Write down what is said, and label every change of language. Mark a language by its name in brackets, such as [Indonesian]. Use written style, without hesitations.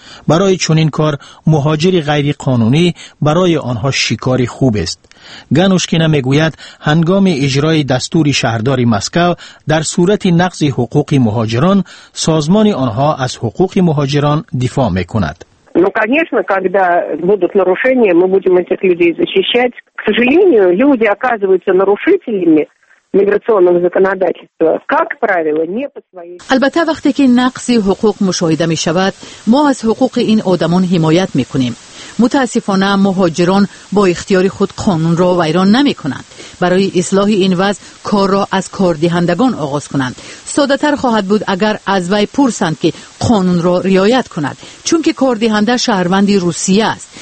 [Persian] برای چنین کار مهاجر غیر قانونی برای آنها شکار خوب است. گانوشکینا میگوید هنگام اجرای دستور شهردار مسکو در صورت نقض حقوق مهاجران سازمان آنها از حقوق مهاجران دفاع میکند. [Russian] Ну, конечно, когда будут нарушения, мы будем этих людей защищать. К сожалению, люди оказываются нарушителями миграционного законодательства, как правило, не по своей. [Tajik] Албатта вақте ки нақз ҳуқуқ мушоҳида мешавад, мо аз ҳуқуқи ин одамон ҳимоят мекунем. [Persian] متاسفانه مهاجران با اختیار خود قانون را ویران نمی کنند. برای اصلاح این وضع کار را از کاردهندگان آغاز کنند. ساده تر خواهد بود اگر از وی پرسند که قانون را رعایت کند، چون که کاردهنده شهروند روسیه است.